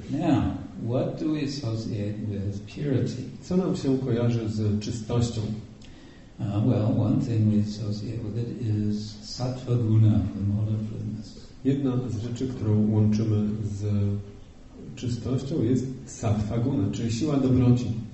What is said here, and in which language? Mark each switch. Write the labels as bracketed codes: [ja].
[en] Now, what do we associate with purity? [pl] Co nam się kojarzy z czystością? [en] Well, one thing we associate with it is sattva guna, the mode of goodness. [pl] Jedna z rzeczy, którą łączymy z czystością, jest sattva guna, czyli siła dobroci.